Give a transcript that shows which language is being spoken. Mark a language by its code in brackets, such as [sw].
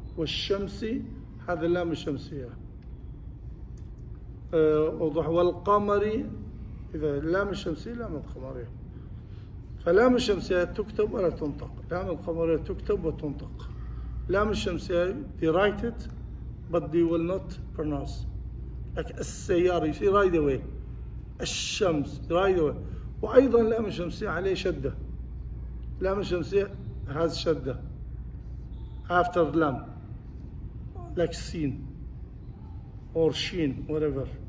[ar] والشمس هذا اللام الشمسية. وضح والقمر إذا اللام الشمسية لام القمرية. فلام الشمسية تكتب ولا تنطق. لام القمرية تكتب وتنطق. [en] لام الشمسية they write it but they will not pronounce. Like السيارة you see right away. الشمس right away. [ar] وأيضا لام الشمسية عليه شدة. لام الشمسية has شدة. [en] After لام. Like seen or sheen whatever.